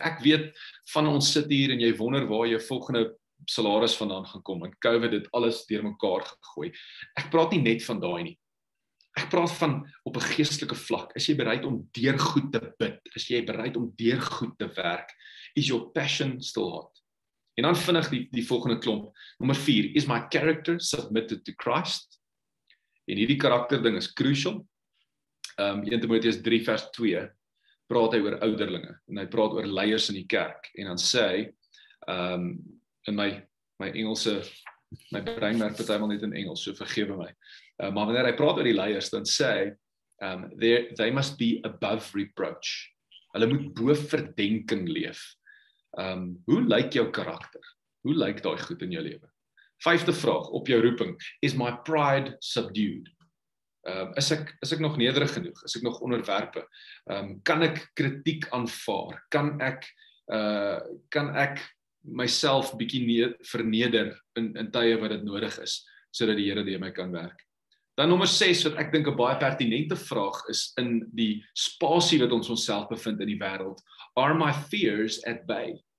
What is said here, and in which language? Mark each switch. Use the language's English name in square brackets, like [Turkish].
[Afrikaans] Ek weet van ons sit hier en jy wonder waar jy volgende salaris vandaan gaan kom en COVID het alles deur mekaar gegooi. Ek praat nie net van daai nie. Ek praat van op 'n geestelike vlak. Is jy bereid om deur goed te bid? Is jy bereid om deur goed te werk? [English] Is your passion still hot? [Afrikaans] En dan vinnig die volgende klomp. Nummer 4, [English] is my character submitted to Christ? [Afrikaans] En hierdie karakterding is crucial. 1 Timoteus 3 vers 2 praat hy oor ouderlinge en hy praat oor leiers in die kerk en dan sê hy in my Engelse, my brein werk partymal net in Engels, so vergewe my. Maar wanneer hy praat oor die leiers, dan sê hy [English] they must be above reproach. [Afrikaans] Hulle moet bo verdenking leef. Hoe lyk jou karakter? Hoe lyk daai goed in jou lewe? 5de vraag op jou roeping, [English] is my pride subdued? [Afrikaans] Is ek nog nederig genoeg? Is ek nog onderwerpe? Kan ek kritiek aanvaar? Kan ek myself bietjie verneder in tye wat dit nodig is, sodat die Here deur my kan werk? Dan nommer 6, wat ek dink 'n baie pertinente vraag is in die spasie wat ons onsself bevind in die wêreld, [English] are my fears at bay?